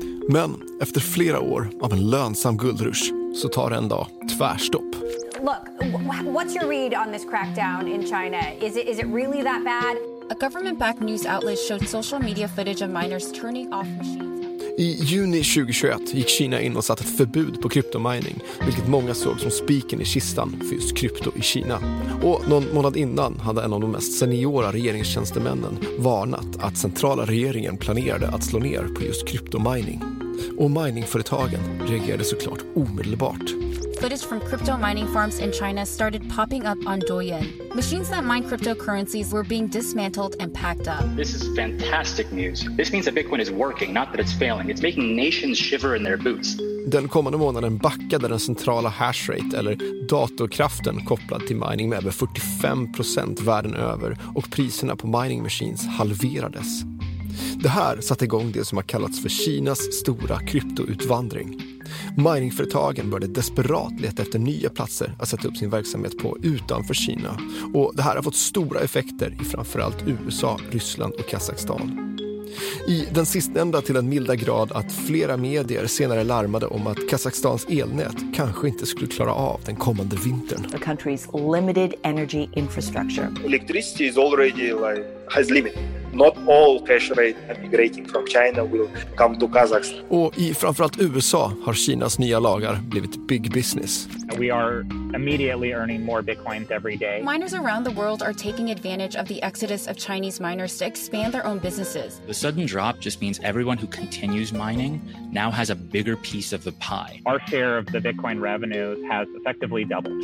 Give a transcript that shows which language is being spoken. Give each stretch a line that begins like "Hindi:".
Swedish: Men efter flera år av en lönsam guldrush så tar det en dag tvärstopp.
English: Look, what's your read on this crackdown in China? Is it really that bad? A government-backed news outlet showed social media footage of miners turning off machines.
Swedish: I juni 2021 gick Kina in och satte ett förbud på kryptomining, vilket många såg som spiken i kistan för just krypto i Kina. Och någon månad innan hade en av de mest seniora regeringstjänstemännen varnat att centrala regeringen planerade att slå ner på just kryptomining. Och miningföretagen reagerade såklart omedelbart.
English: Footage from crypto mining farms in China started popping up on Douyin. Machines that mine cryptocurrencies were being dismantled and packed up. This is fantastic news. This means that Bitcoin is working, not that it's failing. It's making nations shiver in their boots.
Swedish: Den kommande månaden backade den centrala hashrate, eller datorkraften kopplad till mining, med över 45% världen över, och priserna på
English: mining machines
Swedish: halverades. Det här satte igång det som har kallats för Kinas stora kryptoutvandring. Miningföretagen började desperat leta efter nya platser att sätta upp sin verksamhet på utanför Kina. Och det här har fått stora effekter i framförallt USA, Ryssland och Kazakstan. I den sistnämnda till en milda grad att flera medier senare larmade om att Kazakstans elnät kanske inte skulle klara av den kommande vintern.
English: The country's limited energy infrastructure. Electricity is already has limit. Not all cash rate emigrating from China will come to Kazakhstan.
Swedish: Och i framförallt USA har Kinas nya lagar blivit
English: big business. We are immediately earning more Bitcoin every day. Miners around the world are taking advantage of the exodus of Chinese miners to expand their own businesses. The sudden drop just means everyone who continues mining now has a bigger piece of the pie. Our share of the Bitcoin revenue has effectively doubled.